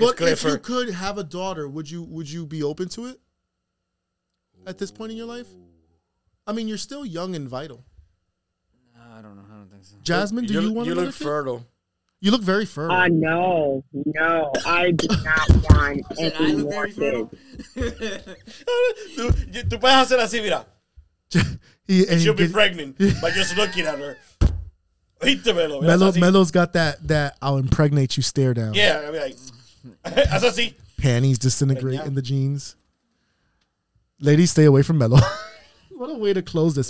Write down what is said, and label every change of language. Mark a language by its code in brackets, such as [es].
[en] But if you could have a daughter, would you be open to it? At this point in your life? I mean, you're still young and vital. I don't know. I don't think so. Jasmine, do you want to? You look fertile. You look very fertile. No. I do not want any more kids. [es] Tú puedes hacer así, mira. [en] She'll be pregnant by just looking at her. Melo's got that I'll impregnate you stare down. Yeah, I'll be like, as I see. Panties disintegrate in the jeans. Ladies, stay away from Melo. What a way to close this.